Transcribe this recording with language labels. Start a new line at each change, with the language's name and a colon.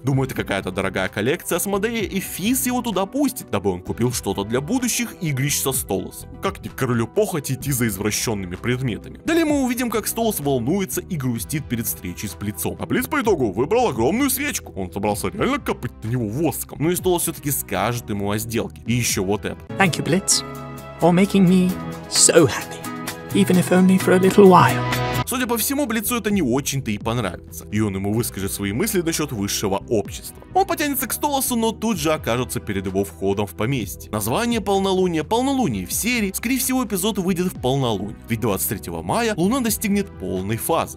Russian: Думаю, это какая-то дорогая коллекция Асмодея, и Физ его туда пустит, дабы он купил что-то для будущих игрищ со Столосом. Как не к королю похоти идти за извращенными предметами. Далее мы увидим, как Столос волнуется и грустит перед встречей с Блицом. А Блиц по итогу выбрал огромную свечку. Он собрался реально копыть на него воском. Ну и Столос все-таки скажет ему о сделке. И еще вот это.
English: Thank you, Blitz, for making me so happy, even if only for a little while.
Russian: Судя по всему, Блицу это не очень-то и понравится, и он ему выскажет свои мысли насчет высшего общества. Он потянется к Столосу, но тут же окажется перед его входом в поместье. Название полнолуния, полнолуние в серии, скорее всего эпизод выйдет в полнолуние, ведь 23 мая луна достигнет полной фазы.